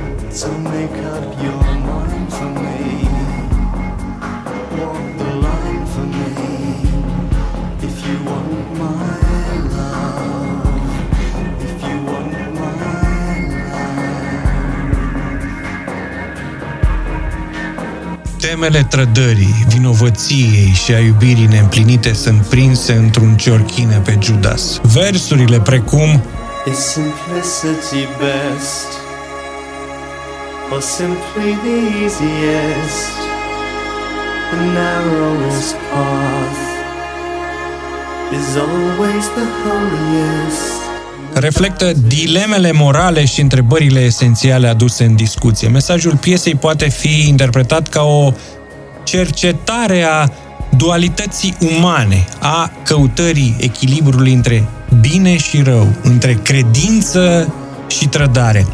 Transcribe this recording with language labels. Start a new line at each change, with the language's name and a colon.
English: So make up your mind for me, walk the line for me. If you want my love, if you want my love.
Romanian: Temele trădării, vinovăției și a iubirii neîmplinite sunt prinse într-un ciorchine pe Judas. Versurile precum
English: "Is simplicity best, or simply the easiest, the narrowest path is always the holiest."
Romanian: Reflectă dilemele morale și întrebările esențiale aduse în discuție. Mesajul piesei poate fi interpretat ca o cercetare a dualității umane, a căutării echilibrului între bine și rău, între credință și trădare.